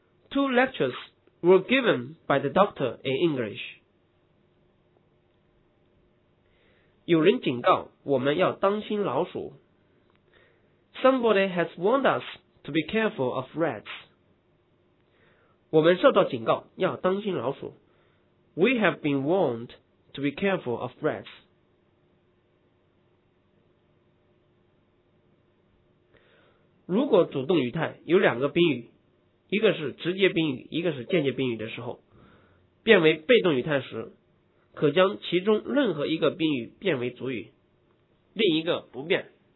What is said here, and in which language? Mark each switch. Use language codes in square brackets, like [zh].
[en] 2 lectures were given by the doctor in English。 [zh] 有人警告我们要当心老鼠。 [en] Somebody has warned us to be careful of rats。 [zh] 我们受到警告，要当心老鼠。 [en] We have been warned to be careful of rats。 [zh] 如果主动语态有两个宾语，一个是直接宾语，一个是间接宾语的时候，变为被动语态时，可将其中任何一个宾语变为主语，另一个不变。